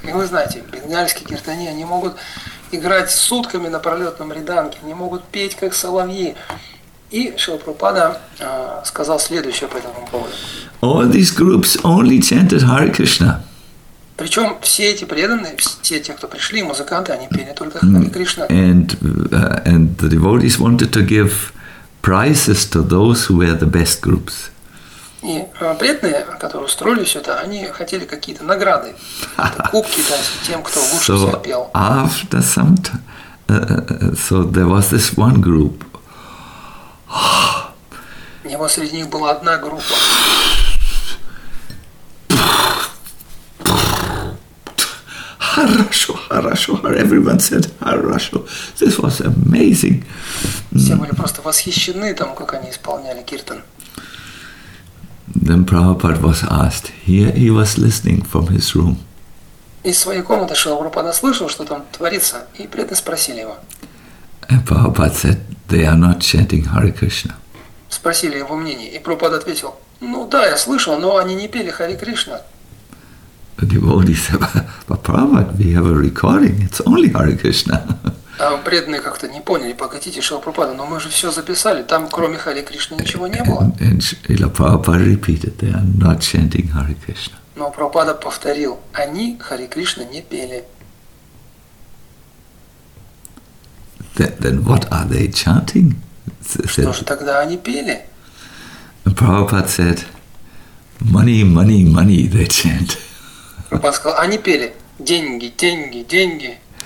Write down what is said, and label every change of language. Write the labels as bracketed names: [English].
[Russian] И вы знаете, бенгальские киртани, они могут играть сутками на пролетном риданге, они могут петь, как соловьи. И Шрила Прабхупада сказал следующее по этому поводу. [English] All these groups only chanted Hare Krishna. [Russian] Причем все эти преданные, все те, кто пришли, музыканты, они пели только Хари Кришна. [English] And the devotees wanted to give prizes to those who were the best groups. [Russian] И преданные, которые устроили все это, они хотели какие-то награды, кубки дать тем, кто лучше всех пел. [English] After some time, so there was this one group. [Russian] И вот среди них была одна группа. Хорошо, хорошо. [English] Everyone said [Russian] хорошо. [English] This was amazing. [Russian] Все были просто восхищены там, как они исполняли киртан. [English] Then Prabhupada was asked. He was listening from his room. [Russian] Из своей комнаты Шрила Прабхупада слышал, что там творится, и преданно спросили его. [English] And Prabhupada said, they are not chanting Hare Krishna. [Russian] Спросили его мнение, и Прабхупада ответил, ну да, я слышал, но они не пели Hare Krishna. [English] The devotee said, but Prabhupada, we have a recording, it's only Hare Krishna. [Russian] А преданные как-то не поняли, погодите, Шрила Прабхупада, но мы же все записали, там кроме Hare Krishna ничего не было. [English] And Srila Prabhupada repeated, they are not chanting Hare Krishna. [Russian] Но Прабхупада повторил, они Hare Krishna не пели. [English] Then what are they chanting? [Russian] Что же тогда они пели? [English] And Prabhupada said, money, money, money, they chant. [Russian] Прабхупада сказал, они пели деньги, деньги, деньги.